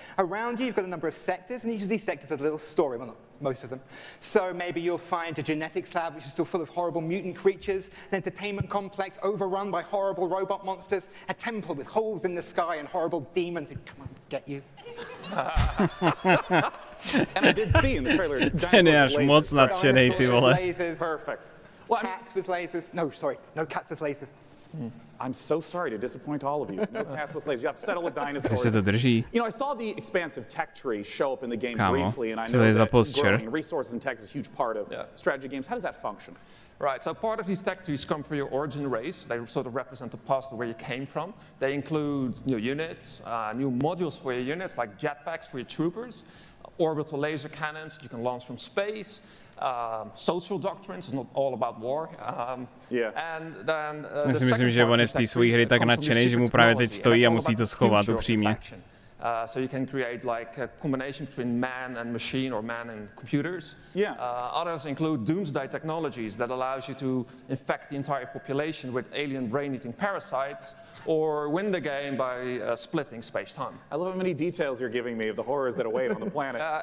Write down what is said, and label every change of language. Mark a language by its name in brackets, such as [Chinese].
[English] Around you, you've got a number of sectors, and each of these sectors has a little story. Well, not most of them. So maybe you'll find a genetics lab, which is still full of horrible mutant creatures, an entertainment complex overrun by horrible robot monsters, a temple with holes in the sky and horrible demons who come and get you. And I did see in the trailer. [Czech] Ten je až moc nadšený, ty vole. [English] Perfect. Well, cats with lasers. No, sorry. No cats with lasers. I'm so sorry to disappoint all of you. No cats with lasers. You have to settle with dinosaurs. [Czech] Ty se to drží. [English] You know, I saw the expansive tech tree show up in the game [Czech] Kámo, [English] briefly, and I know that growing resources and tech is a huge part of strategy games. How does that function? Right, so part of these tech trees come from your origin race. They sort of represent the past of where you came from. They include new units, new modules for your units, like jetpacks for your troopers, orbital laser cannons you can launch from space, social doctrines, it's not all about war. And then [Czech] myslím, že on je z té své hry tak nadšený, že mu právě teď stojí a musí to schovat upřímně. [English] So you can create like a combination between man and machine or man and computers. Yeah. Others include doomsday technologies that allows you to infect the entire population with alien brain-eating parasites or win the game by splitting space-time. I love how many details you're giving me of the horrors that await on the planet.